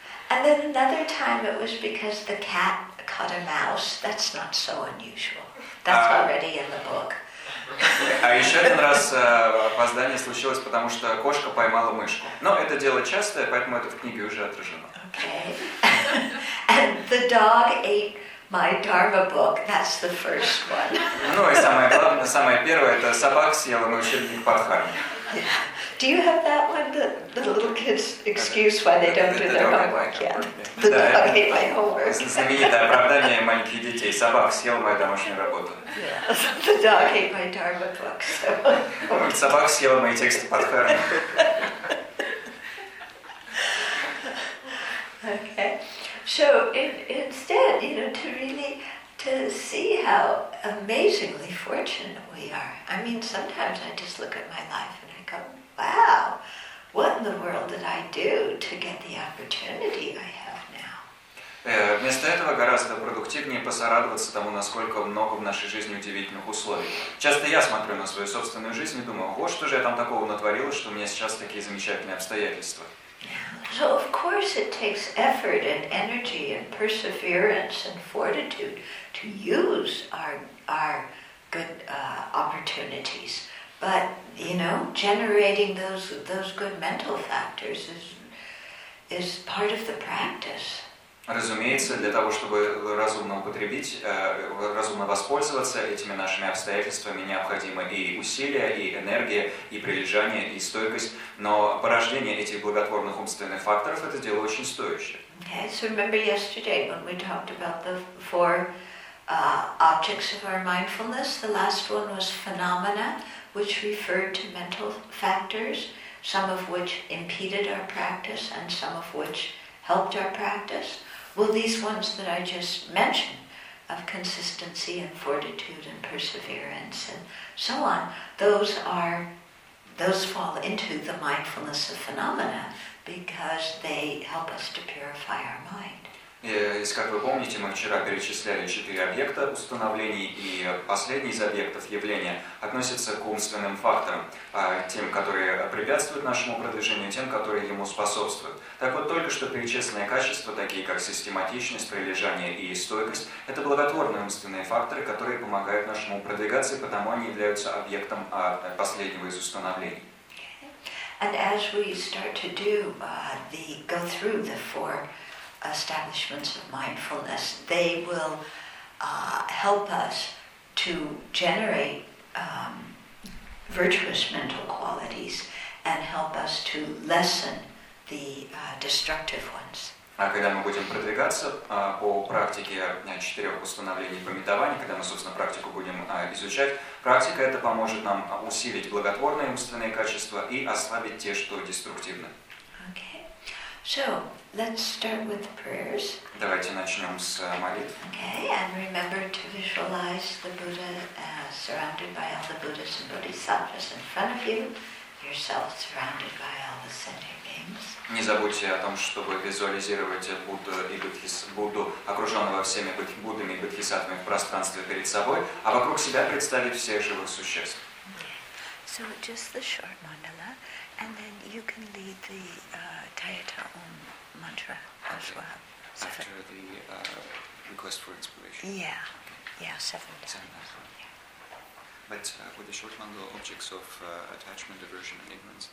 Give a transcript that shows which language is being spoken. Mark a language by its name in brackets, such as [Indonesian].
[English] And then another time it was because the cat caught a mouse. That's not so unusual. That's already in the book. [Russian] А еще один раз опоздание случилось, потому что кошка поймала мышку. Но это дело частое, поэтому это в книге уже отражено. [English] Okay. And the dog ate my dharma book. That's the first one. [Russian] Ну и самое первое, это собака съела мой учебник по дхарме. [English] Do you have that one, the little kid's excuse why they don't do their homework yet? The dog ate my homework. [Russian] Знаменитое оправдание маленьких детей. Собака съела мою домашнюю работу. [English] The dog ate my dharma book, so... [Russian] Собака съела мои тексты по дхарме. [English] Okay. So, instead, you know, to see how amazingly fortunate we are. I mean, sometimes I just look at my life and I go, wow, what in the world did I do to get the opportunity I have now? [Russian] Вместо этого гораздо продуктивнее посорадоваться тому, насколько много в нашей жизни удивительных условий. Часто я смотрю на свою собственную жизнь и думаю, вот что же я там такого натворила, что у меня сейчас такие замечательные обстоятельства. [English] So of course it takes effort and energy and perseverance and fortitude to use our good opportunities. But, you know, generating those good mental factors is part of the practice. [Russian] Разумеется, для того, чтобы разумно употребить, разумно воспользоваться этими нашими обстоятельствами, необходимы и усилия, и энергия, и прилежание, и стойкость. Но порождение этих благотворных умственных факторов – это дело очень стоящее. [English] Okay, so remember yesterday when we talked about the four objects of our mindfulness, the last one was phenomena, which referred to mental factors, some of which impeded our practice and some of which helped our practice. Well, these ones that I just mentioned, of consistency and fortitude and perseverance and so on, those fall into the mindfulness of phenomena because they help us to purify our mind. [Russian] И, как вы помните, мы вчера перечисляли четыре объекта установлений, и последний из объектов явления относится к умственным факторам, тем, которые препятствуют нашему продвижению, тем, которые ему способствуют. Так вот, только что перечисленные качества, такие как систематичность, прилежание и стойкость, это благотворные умственные факторы, которые помогают нашему продвигаться, и потому они являются объектом последнего из установлений. [English] And as we start to do, go through the four establishments of mindfulness, they will help us to generate virtuous mental qualities and help us to lessen the destructive ones. [Russian] А когда мы будем продвигаться по практике четырех установлений памятования, когда мы, собственно, практику будем изучать, практика эта поможет нам усилить благотворные умственные качества и ослабить те, что деструктивны. [English] So, let's start with prayers. [Russian] Давайте начнем с молитв. [English] Okay, and remember to visualize the Buddha surrounded by all the Buddhas and Bodhisattvas in front of you, yourself surrounded by all the sentient beings. [Russian] Не забудьте о том, чтобы визуализировать Будду и Будду, окруженного всеми Буддами и Бодхисаттвами в пространстве перед собой, а вокруг себя представить всех живых существ. [English] Okay. So, just the short mandala. And then you can lead the Tayata Om mantra as well. After the request for inspiration. Yeah, okay. Yeah, seven times. But with the short mandala, objects of attachment, aversion, and ignorance.